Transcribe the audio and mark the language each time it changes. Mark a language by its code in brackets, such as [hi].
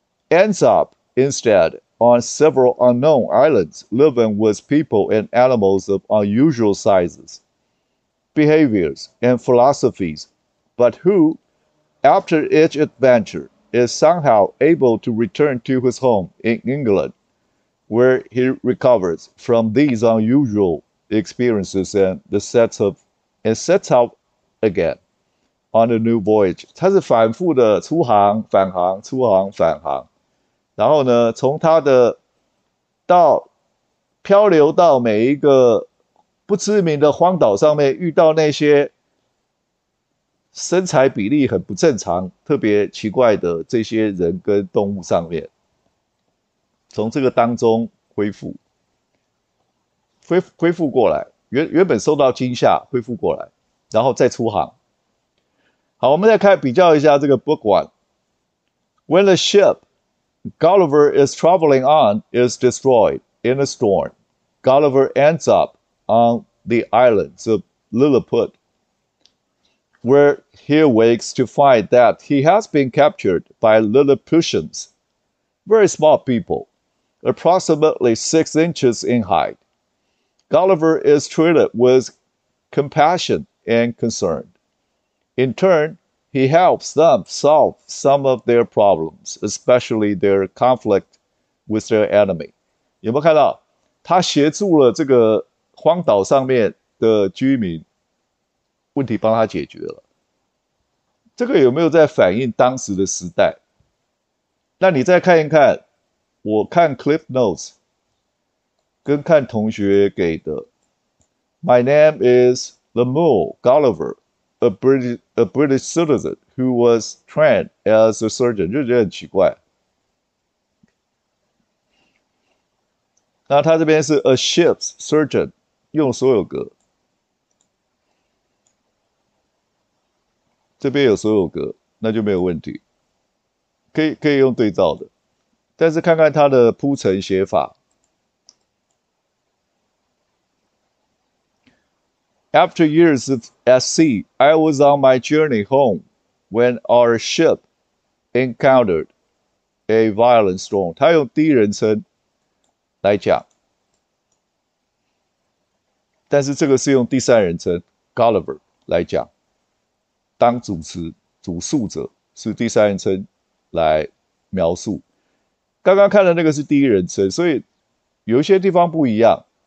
[en] ends up instead on several unknown islands living with people and animals of unusual sizes, behaviors, and philosophies, but who, after each adventure, is somehow able to return to his home in England, where he recovers from these unusual experiences and sets out again on a new voyage. [zh] 他是反复的出航、返航、出航、返航，然后呢，从他的到漂流到每一个不知名的荒岛上面，遇到那些身材比例很不正常、特别奇怪的这些人跟动物上面，从这个当中恢复过来，原本受到惊吓恢复过来，然后再出航。好，我们再看比较一下这个 [en] book one。 When the ship Gulliver is traveling on is destroyed in a storm, Gulliver ends up on the islands of Lilliput, where he awakes to find that he has been captured by Lilliputians, very small people, approximately 6 inches in height. Gulliver is treated with compassion and concern. In turn, he helps them solve some of their problems, especially their conflict with their enemy. [zh] 有没有看到？他协助了这个荒岛上面的居民，问题帮他解决了。这个有没有在反映当时的时代？那你再看一看，我看 Cliff Notes 跟看同学给的。 [en] My name is Lemuel Gulliver, a British citizen who was trained as a surgeon. [zh] 就觉得很奇怪。那他这边是 [en] a ship's surgeon， [zh] 用所有格。这边有所有格，那就没有问题，可以用对照的。但是看看它的铺陈写法。 [en] After years of at sea, I was on my journey home when our ship encountered a violent storm. [zh] 他用第一人称来讲，但是这个是用第三人称 Gulliver 来讲，当主词主述者是第三人称来描述。刚刚看的那个是第一人称，所以有一些地方不一样。